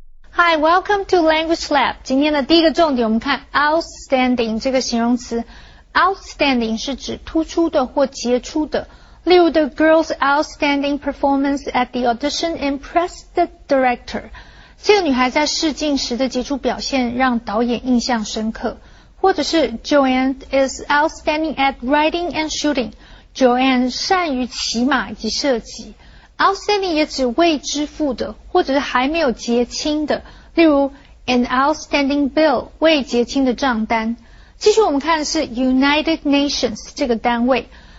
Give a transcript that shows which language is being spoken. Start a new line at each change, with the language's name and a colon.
Chinese: Hi, welcome to Language Lab. 今天的第一个重点我们看 outstanding 这个形容词。 Outstanding 是指突出的或杰出的。
English: 例如 the girl's outstanding performance at the audition impressed the director.
Chinese: 这个女孩在试镜时的杰出表现让导演印象深刻。
English: 或者是 Joanne is outstanding at writing and shooting.
Chinese: Joanne 善于骑马以及设计。Outstanding 也指未支付的或者是还没有结清的例如 An outstanding bill 未结清的账单继续我们看的是 United Nations 这个单位